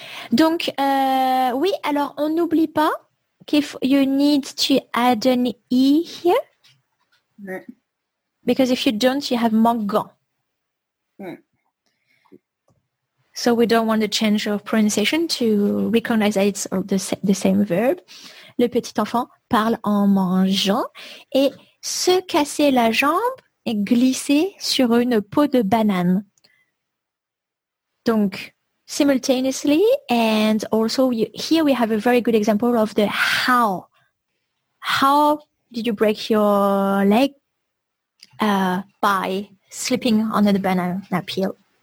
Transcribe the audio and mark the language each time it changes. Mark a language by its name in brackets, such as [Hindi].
[French] Donc, oui, alors on n'oublie pas qu' [English] if you need to add an E here. Because if you don't, you have mangant. So we don't want the change of pronunciation to recognize that it's the same verb. [French] Le petit enfant parle en mangeant et se casser la jambe et glisser sur une peau de banane. [English] Donc, simultaneously, and also here we have a very good example of the how. How did you break your leg? By slipping on the banana peel.